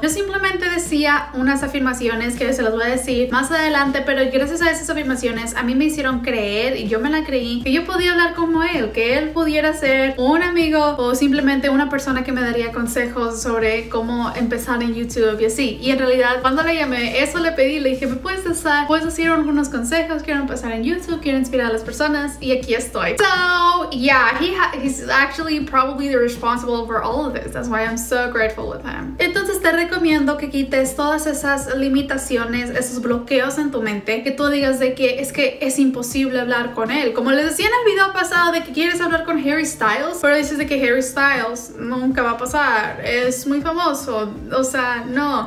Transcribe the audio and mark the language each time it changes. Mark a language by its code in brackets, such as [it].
[es] Yo simplemente decía unas afirmaciones que se las voy a decir más adelante, pero gracias a esas afirmaciones a mí me hicieron creer, y yo me la creí, que yo podía hablar como él, que él pudiera ser un amigo o simplemente una persona que me daría consejos sobre cómo empezar en YouTube y así. Y en realidad, cuando le llamé, eso le pedí, le dije, ¿me puedes decir algunos consejos? Quiero empezar en YouTube, quiero inspirar a las personas, y aquí estoy. [en] So, yeah, he's actually probably the responsible for all of this. That's why I'm so grateful with him. [es] Entonces te recomiendo que quites todas esas limitaciones, esos bloqueos en tu mente, que tú digas de que es imposible hablar con él. Como les decía en el video pasado de que quieres hablar con Harry Styles, pero dices de que Harry Styles nunca va a pasar, es muy famoso, o sea, no.